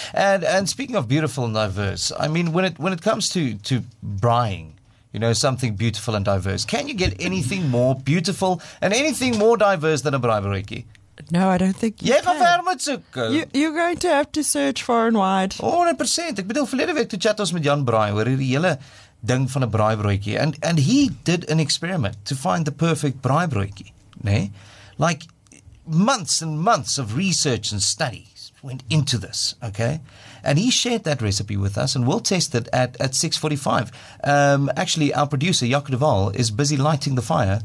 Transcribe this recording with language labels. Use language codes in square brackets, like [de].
[en] And speaking of beautiful and diverse, I mean, when it comes to braaiing, you know, something beautiful and diverse, can you get anything more beautiful and anything more diverse than a braaibroodjie? No, I don't think you can. You're going to have to search far and wide. 100%. [af] Ek bedoel, verlede week toe chat ons met Jan Braai oor hierdie hele ding van 'n braaibroodjie. [en] And he did an experiment to find the perfect braaibroodjie. [af] Nee? [en] Like, months and months of research and studies went into this, okay? And he shared that recipe with us, and we'll test it at 6:45. Actually, our producer, Jacques Duval, is busy lighting the fire.